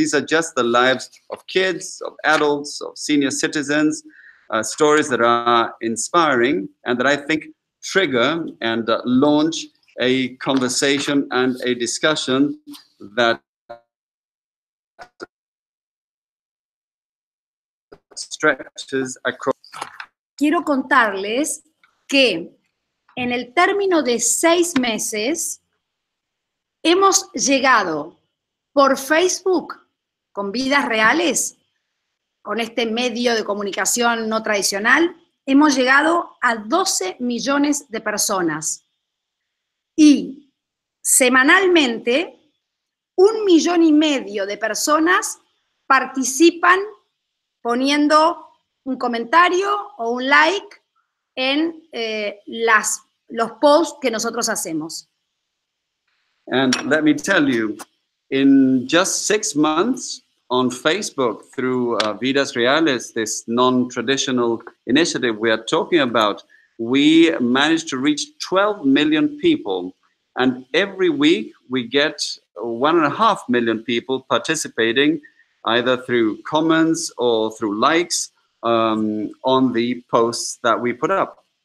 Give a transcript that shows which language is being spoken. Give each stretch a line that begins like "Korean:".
English: These are just the lives of kids, of adults, of senior citizens, stories that are inspiring and that I think trigger and launch a conversation and a discussion that stretches across.
Spanish: Quiero contarles que en el término de 6 meses hemos llegado por Facebook con Vidas Reales, con este medio de comunicación no tradicional, hemos llegado a 12 millones de personas. Y semanalmente, 1,5 millones de personas participan poniendo un comentario o un like en los posts que nosotros hacemos.
English: And let me tell you, in just 6 months on Facebook through Vidas Reales, this non-traditional initiative we are talking about, we managed to reach 12 million people. And every week we get 1.5 million people participating either through comments or through likes on the posts that we put up.